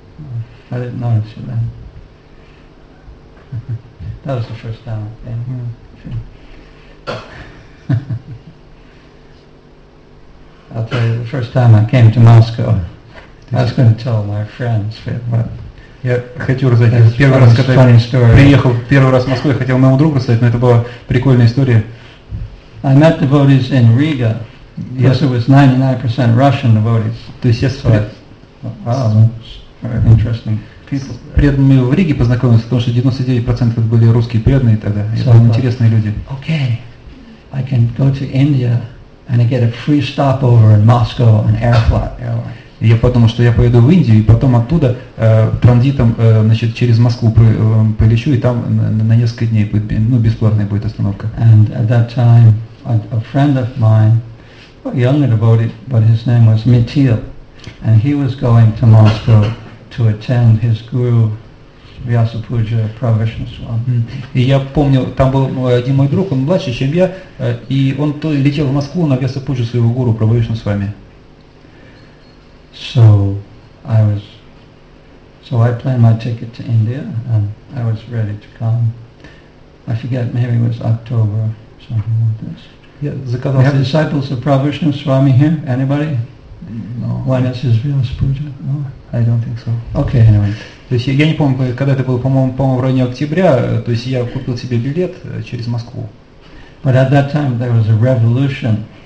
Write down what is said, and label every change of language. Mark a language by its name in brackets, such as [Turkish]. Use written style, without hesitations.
[English] Oh. I didn't notice you then. That was the first time. Yeah. I'll tell you, the first time I came to Moscow, I was going to tell my friends, but [Russian] я хотел рассказать первый раз, когда приехал первый раз в Москву, я хотел моему другу рассказать, но это была прикольная история. [English] I met devotees in Riga. Yes, it was 99% Russian devotees. [Russian] То есть я с [English] very interesting people. [Russian] Преданными в Риге познакомился, потому что 99% были русские преданные тогда. Это были интересные люди. [English] Okay, I can go to India. And I get a free stopover in Moscow on Airline. [Russian] Я подумал, что я поеду в Индию и потом оттуда транзитом, значит, через Москву полечу и там на несколько дней будет, ну, бесплатная будет остановка. [English] And at that time, a friend of mine, a younger devotee, but his name was Mithil. And he was going to Moscow to attend his guru Vyasa Puja Pravishnaswami. [Russian] И я помню, там был один мой друг, он младше, чем я, и он летел в Москву на Вьяса Пуджу своего гуру Правишнасвами. [English] So I was I planned my ticket to India and I was ready to come. I forget, maybe it was October, something like this. Yeah, we have disciples of Pravishnaswami here? Anybody? No. When is his Vyasa Puja? No, I don't think so. Okay, anyway. [Russian] То есть я не помню, когда это было, по-моему, в районе октября, то есть я купил себе билет через Москву. [English] But at that time there was a revolution.